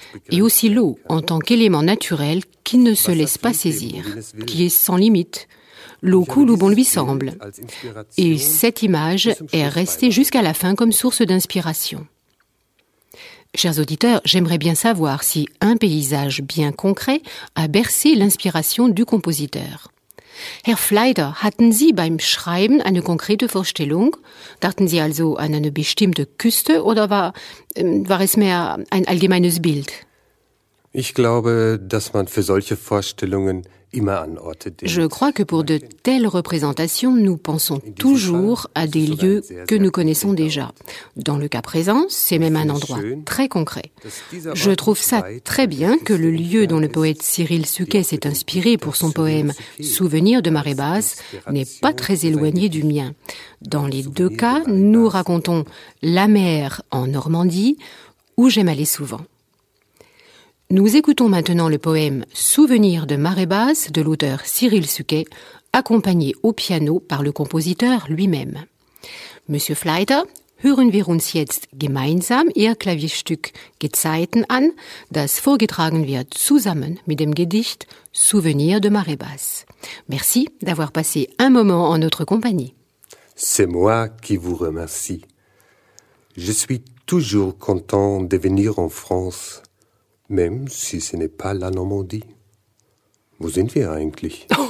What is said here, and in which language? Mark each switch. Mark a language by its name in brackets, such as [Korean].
[French] Et aussi l'eau, en tant qu'élément naturel qui ne se laisse pas saisir, qui est sans limite. L'eau coule où bon lui semble. Et cette image est restée jusqu'à la fin comme source d'inspiration. Chers auditeurs, j'aimerais bien savoir si un paysage bien concret a bercé l'inspiration du compositeur. [German] Herr Flyter, hatten Sie beim Schreiben eine konkrete Vorstellung? Dachten Sie also an eine bestimmte Küste oder war es mehr ein allgemeines Bild? Ich glaube, dass man für solche Vorstellungen immer an Orte denkt. [French] Je crois que pour de telles représentations, nous pensons toujours à des lieux que nous connaissons déjà. Dans le cas présent, c'est même un endroit très concret. Je trouve ça très bien que le lieu dont le poète Cyril Suquet s'est inspiré pour son poème « Souvenir de marée basse » n'est pas très éloigné du mien. Dans les deux cas, nous racontons la mer en Normandie, où j'aime aller souvent. Nous écoutons maintenant le poème « Souvenir de marée basse » de l'auteur Cyril Suquet, accompagné au piano par le compositeur lui-même. [German] Monsieur Flyter, hören wir uns jetzt gemeinsam Ihr Klavierstück « Gezeiten » an, das vorgetragen wird zusammen mit dem Gedicht « Souvenir de marée basse ». [French] Merci d'avoir passé un moment en notre compagnie. C'est moi qui vous remercie. Je suis toujours content de venir en France. Même si ce n'est pas la Normandie. [German] Wo sind wir eigentlich?